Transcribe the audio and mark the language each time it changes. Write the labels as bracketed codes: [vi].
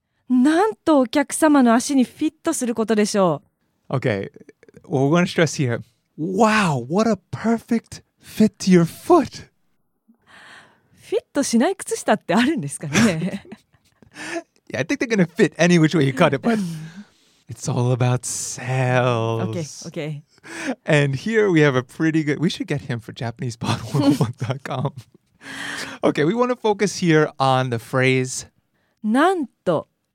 [ja] なんとお客様の足にフィットすることでしょう! [en] Okay, well, we're going to stress here. Wow, what a perfect fit to your foot! [ja] フィットしない靴下ってあるんですかね? [en] Yeah, I think they're going to fit any which way you cut it, but it's all about sales. Okay, okay. And here we have a pretty good... We should get him for JapanesePod101.com. Okay, we want to focus here on the phrase... [ja] なんと